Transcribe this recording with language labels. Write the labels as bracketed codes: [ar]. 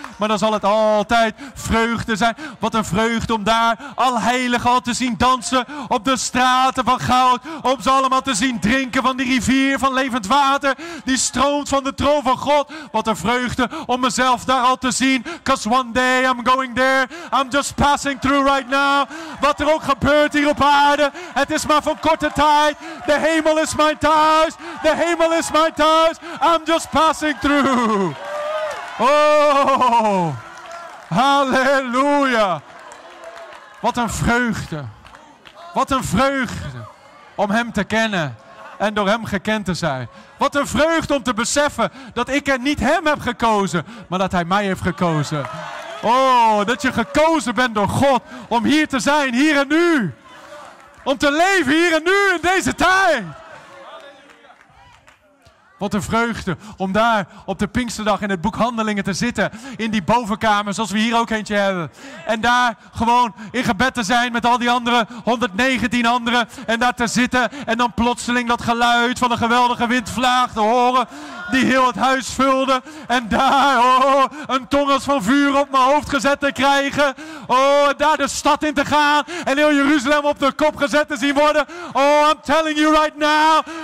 [nl] Maar dan zal het altijd vreugde zijn. Wat een vreugde om daar al heiligen al te zien dansen op de straten van goud. Om ze allemaal te zien drinken van die rivier van levend water die stroomt van de troon van God. Wat een vreugde om mezelf daar al te zien. [en] Cause one day I'm going there. I'm just passing through right now. [nl] Wat er ook gebeurt hier op aarde. Het is maar voor korte tijd. De hemel is mijn thuis. De hemel is mijn thuis. [en] I'm just passing through. [nl] Oh. Halleluja. Wat een vreugde. Wat een vreugde. Om hem te kennen. En door hem gekend te zijn. Wat een vreugde om te beseffen dat ik er niet hem heb gekozen, maar dat hij mij heeft gekozen. Oh, dat je gekozen bent door God om hier te zijn, hier en nu. Om te leven hier en nu in deze tijd. Wat een vreugde om daar op de Pinksterdag in het boek Handelingen te zitten. In die bovenkamer zoals we hier ook eentje hebben. En daar gewoon in gebed te zijn met al die andere 119 anderen. En daar te zitten en dan plotseling dat geluid van een geweldige windvlaag te horen. Die heel het huis vulde. En daar een tong als van vuur op mijn hoofd gezet te krijgen. En daar de stad in te gaan. En heel Jeruzalem op de kop gezet te zien worden. [en] I'm telling you right now.